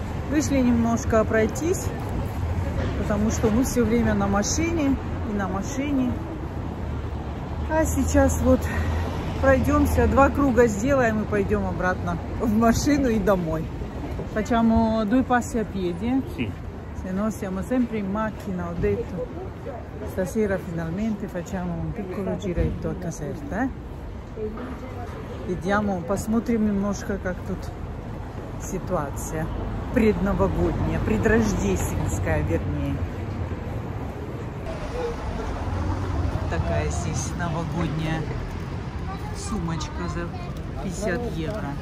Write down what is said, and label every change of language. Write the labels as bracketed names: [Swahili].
[Russian] Вышли немножко пройтись, потому что мы все время на машине и на машине. А сейчас вот пройдемся, два круга сделаем и пойдем обратно в машину и домой. [Italian] Facciamo due passi a piedi. Sì. Se no siamo sempre in macchina, ho detto. Stasera finalmente facciamo un piccolo giretto a Caserta, eh? Vediamo, [Russian] посмотрим немножко, как тут ситуация. Предновогодняя, предрождественская, вернее. Такая здесь новогодняя сумочка за 50 евро.